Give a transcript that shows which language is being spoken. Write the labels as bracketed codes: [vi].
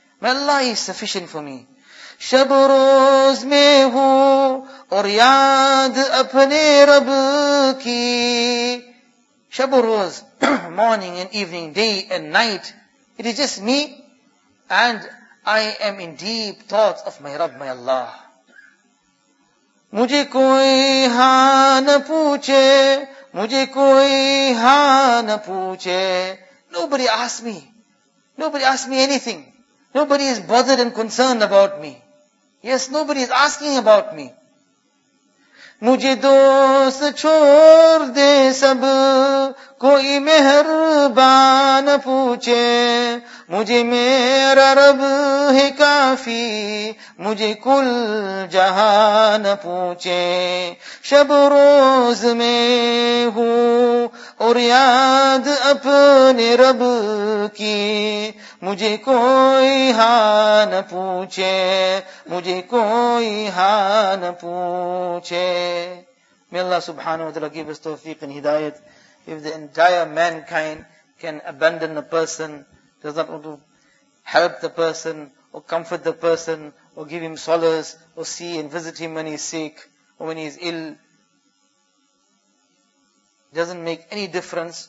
[en] My Allah is sufficient for me. [ur] Shab roz mein ho, aur yaad apne Rab ki. شب وروز, [en] morning and evening, day and night. It is just me and I am in deep thoughts of my Rabb, my Allah. [ur] مجھے کوئی ہاں نہ پوچھے, مجھے کوئی ہاں نہ پوچھے. [en] Nobody asks me. Nobody asks me anything. Nobody is bothered and concerned about me. Yes, nobody is asking about me. [ur] مجھے دوست چھوڑ دے سب, کوئی مہربان پوچھے. مجھے میرا رب ہے کافی, مجھے کل جہان پوچھے. شب روز میں ہوں اور یاد اپنے رب کی, مجھے کوئی حال پوچھے, مجھے کوئی حال پوچھے. [en] May Allah subhanahu wa ta'ala give us tawfiq and hidayat. If the entire mankind can abandon the person, does not want to help the person, or comfort the person, or give him solace, or see and visit him when he is sick, or when he is ill, doesn't make any difference.